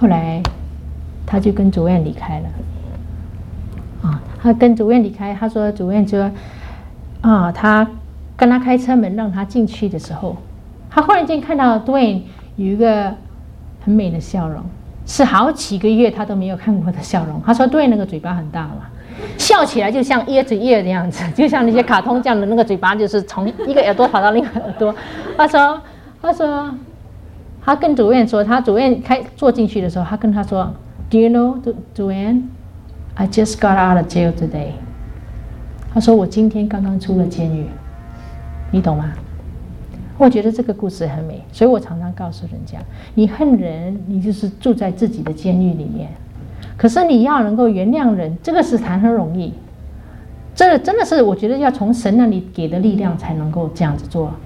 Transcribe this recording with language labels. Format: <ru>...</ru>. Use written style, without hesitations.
<zh>后来他就跟主任离开了。他跟主任离开，他说主任就他跟他开车门让他进去的时候，他忽然间看到 Dwayne 有一个很美的笑容，是好几个月他都没有看过的笑容。他说 Dwayne 那个嘴巴很大嘛，笑起来就像噎着噎的样子，就像那些卡通这样的那个嘴巴，就是从一个耳朵跑到另一个耳朵。他说他跟主任说，他主任开坐进去的时候，他跟他说</zh> <en>Do you know, Duane? I just got out of jail today.</en> <zh>他说，我今天刚刚出了监狱，你懂吗？我觉得这个故事很美，所以我常常告诉人家，你恨人，你就是住在自己的监狱里面，可是你要能够原谅人，这个是谈何容易。这真的是我觉得要从神那里给的力量才能够这样子做。</zh>